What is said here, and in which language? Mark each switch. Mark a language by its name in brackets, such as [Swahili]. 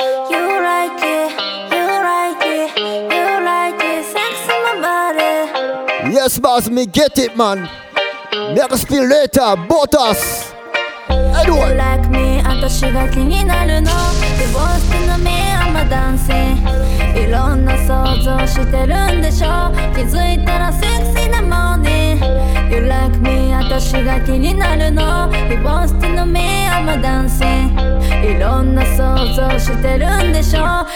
[English] You like it, you like it, you like it, sex in my body. Yes boss, me get it man. Never spill later, both us. You like me, [Japanese] 私が気になるの。 [English] You want to know me, I'm a dancing. [Japanese] いろんな想像してるんでしょ。気づいたら [English] sexy in the morning. You like me, [Japanese] 私が気になるの。 [English] You want to know me, I'm a dancing. [Japanese] いろんな想像してるんでしょ。